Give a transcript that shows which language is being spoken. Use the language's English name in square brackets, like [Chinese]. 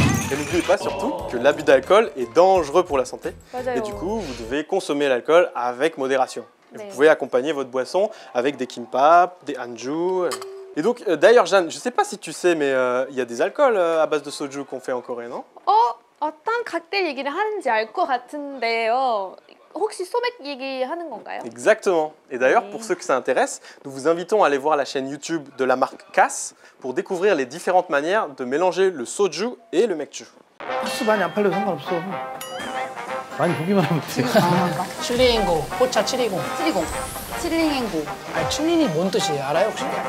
[French] N'oubliez pas surtout que l'abus d'alcool est dangereux pour la santé. [Korean] 맞아요. [French] Et du coup, vous devez consommer l'alcool avec modération. [Korean] 네. [French] Vous pouvez accompagner votre boisson avec des kimbap, des anju. Et donc, d'ailleurs, Jeanne, je ne sais pas si tu sais, mais il y a des alcools à base de soju qu'on fait en Corée, non? [Korean] Oh, 어떤 칵테일 얘기를 하는지 알 것 같은데요. 혹시 소맥 얘기하는 건가요? [French] Exactement. Et d'ailleurs, 네. pour ceux que ça intéresse, nous vous invitons à aller voir la chaîne YouTube de la marque Cass pour découvrir les différentes manières de mélanger le soju et le mekju. [Korean] 소주 많이 안 팔려도 상관없어. 많이 보기만 하면 돼. 칠링앵고, 포차 720. 720. 칠링앵고. 아니, 칠링이 뭔 뜻이에요? 알아요, 혹시?